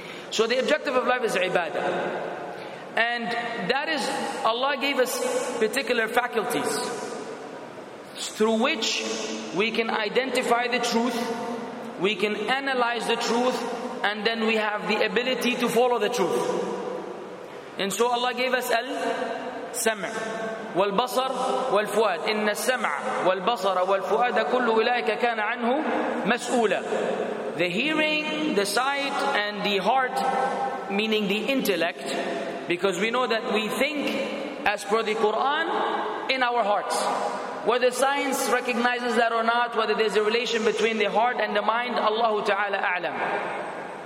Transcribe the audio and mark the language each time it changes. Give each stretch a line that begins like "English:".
English: So the objective of life is ibadah. And that is, Allah gave us particular faculties through which we can identify the truth, we can analyze the truth, and then we have the ability to follow the truth. And so Allah gave us al-sam'
Arabic: والبصر والفؤاد. إن السمع والبصر والفؤاد كل أولئك كان عنه مسؤولا.
English: The hearing, the sight, and the heart, meaning the intellect, because we know that we think as per the Quran in our hearts. Whether science recognizes that or not, whether there's a relation between the heart and the mind, Allah Ta'ala أعلم.